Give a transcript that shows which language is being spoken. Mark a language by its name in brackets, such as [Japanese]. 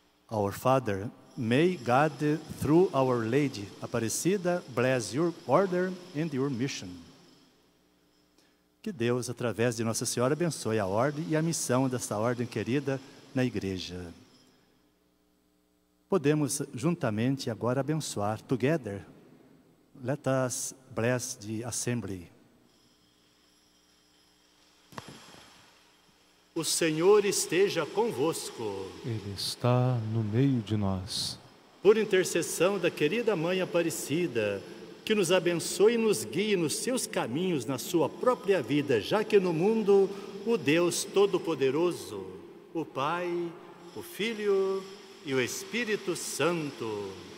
[English] Our Father, may God, through Our Lady Aparecida, bless your order and your mission. [Portuguese] Que Deus, através de Nossa Senhora, abençoe a ordem e a missão desta ordem querida na Igreja. Podemos juntamente agora abençoar. [English] Together, let us bless the assembly. [Portuguese] O Senhor esteja convosco. Ele está no meio de nós. Por intercessão da querida Mãe Aparecida, que nos abençoe e nos guie nos seus caminhos, na sua própria vida, já que no mundo, o Deus Todo-Poderoso, o Pai, o Filho e o Espírito Santo.